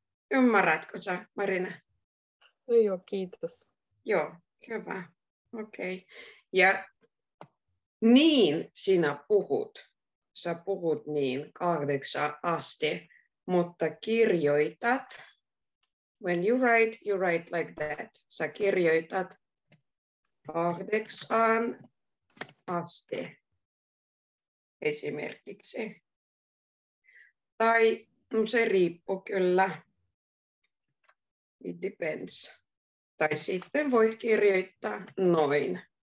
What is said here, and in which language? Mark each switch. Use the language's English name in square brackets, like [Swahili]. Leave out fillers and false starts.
[Finnish] Ymmärrätkö sä, Marina? No joo, kiitos. Joo, hyvä. Okei. Okay. Ja niin sinä puhut. Sä puhut niin 8:00 asti, mutta kirjoitat. [English] When you write like that. [Finnish] Sä kirjoitat 8:00 asti esimerkiksi. Tai no se riippuu kyllä. [English] It depends. [Finnish] Tai sitten voit kirjoittaa noin.